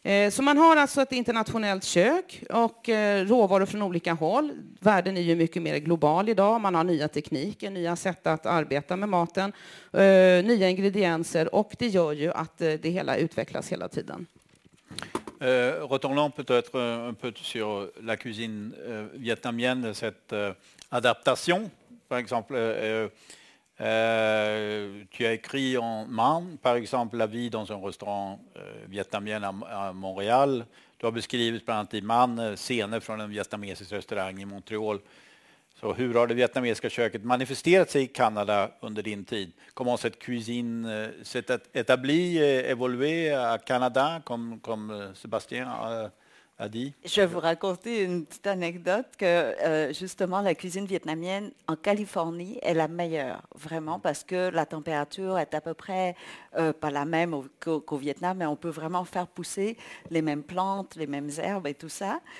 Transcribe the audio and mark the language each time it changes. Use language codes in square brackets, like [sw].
[sv] Så man har alltså ett internationellt kök och råvaror från olika håll. Världen är ju mycket mer global idag. Man har nya tekniker, nya sätt att arbeta med maten, nya ingredienser. Och det gör ju att det hela utvecklas hela tiden. [fr] Retournons peut-être un peu sur la cuisine vietnamienne, cette adaptation. Par exemple, tu as écrit en Man, par exemple, la vie dans un restaurant vietnamien à Montréal. Tu as [sv] beskrivit bland annat i Man scener från en vietnamesisk restaurang i Montréal. Så hur har det vietnamesiska köket manifesterat sig i Kanada under din tid? [fr] Comment cette cuisine s'est établie, évoluée à Canada, comme Sébastien a dit? Je vais vous raconter une petite anecdote que justement la cuisine vietnamienne en Californie est la meilleure, vraiment, parce que la température est à peu près pas la même qu'au Vietnam, mais on peut vraiment faire pousser les mêmes plantes, les mêmes herbes et tout ça.